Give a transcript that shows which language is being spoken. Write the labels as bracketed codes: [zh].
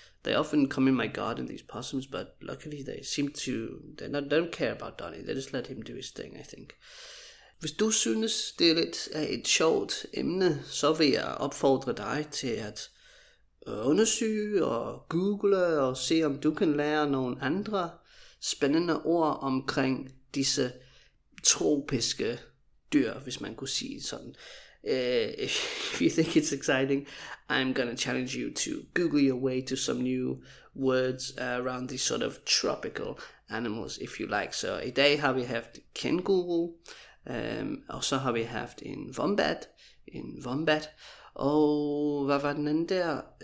[en] They often come in my garden, these possums, but luckily they seem to, they don't care about Donnie, they just let him do his thing, I think. [da] Hvis du synes, det er lidt af et sjovt emne, så vil jeg opfordre dig til at undersøge og google og se, om du kan lære nogle andre spændende ord omkring disse tropiske dyr, hvis man kunne sige sådan. [en] If you think it's exciting, I'm gonna challenge you to Google your way to some new words around these sort of tropical animals, if you like. [da] So i dag har vi haft kænguru, og så har vi haft en wombat, og hvad var den anden der?